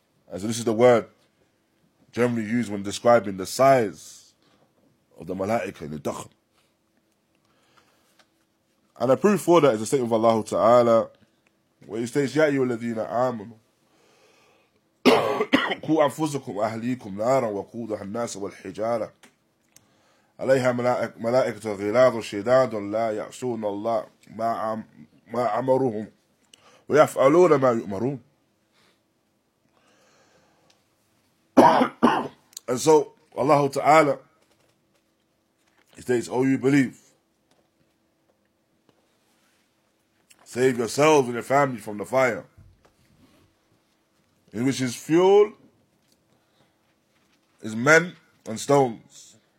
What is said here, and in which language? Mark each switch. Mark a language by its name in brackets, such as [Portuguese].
[English] And so this is the word generally used when describing the size of the malaika in the dakhm. And a proof for that is the statement of Allah Ta'ala, where he says, [Arabic] Ya ayyuhalladhina amanu. قوا أنفسكم وأهليكم نارا وقودها الناس والحجارة عليها ملائكة غلاظ شداد لا يعصون الله ما أمرهم ويفعلون ما يؤمرون. [English] And so Allah Ta'ala states, oh, you believe, save yourselves and your family from the fire, in which is fuel, is men and stones.